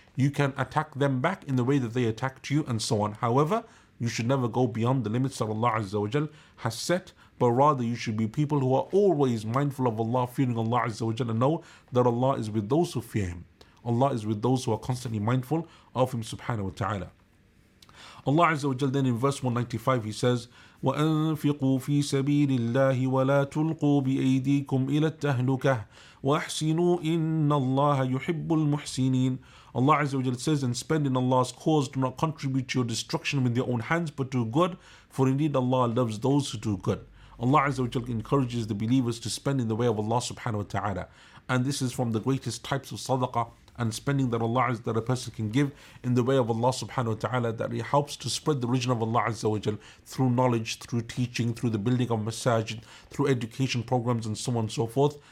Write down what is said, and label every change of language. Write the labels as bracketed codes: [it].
[en] You can attack them back in the way that they attacked you, and so on. However, you should never go beyond the limits that Allah Azza wa Jalla has set, but rather you should be people who are always mindful of Allah, fearing Allah Azza wa Jalla, and know that Allah is with those who fear Him. Allah is with those who are constantly mindful of Him subhanahu wa ta'ala. Allah Azza wa Jalla then in verse 195 He says, [ar] وَأَنفِقُوا فِي سَبِيلِ اللَّهِ وَلَا تُلْقُوا بِأَيْدِيكُمْ إِلَى التَّهْلُكَةِ وَأَحْسِنُوا إِنَّ اللَّهَ يُحِبُّ الْمُحْسِنِينَ. [en] Allah Azza wa Jalla says, and spend in Allah's cause, do not contribute to your destruction with your own hands, but do good, for indeed Allah loves those who do good. Allah Azza wa Jalla encourages the believers to spend in the way of Allah subhanahu wa ta'ala. And this is from the greatest types of sadaqah and spending that Allah Azza, that a person can give in the way of Allah subhanahu wa ta'ala, that it helps to spread the religion of Allah Azza wa Jalla through knowledge, through teaching, through the building of masajid, through education programs and so on and so forth.